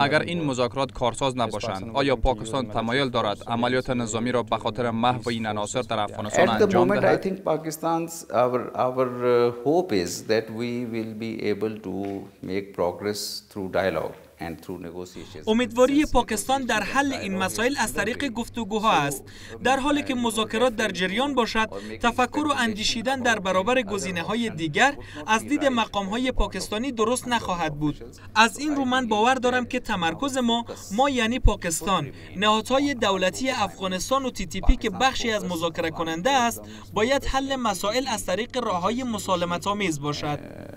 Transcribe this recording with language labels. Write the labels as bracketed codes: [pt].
[fa] اگر این مذاکرات کارساز نباشند، آیا پاکستان تمایل دارد اما عملیات نظامی را به خاطر محو این عناصر در افغانستان انجام دهد. [en] I think Pakistan's our hope is that we will be able to make progress through dialogue. [fa] امیدواری پاکستان در حل این مسائل از طریق گفتگوها است. در حالی که مذاکرات در جریان باشد، تفکر و اندیشیدن در برابر گزینه‌های دیگر از دید مقام‌های پاکستانی درست نخواهد بود. از این رو من باور دارم که تمرکز ما یعنی پاکستان، نهادهای دولتی افغانستان و TTP که بخشی از مذاکره کننده است، باید حل مسائل از طریق راه‌های مسالمت‌آمیز باشد.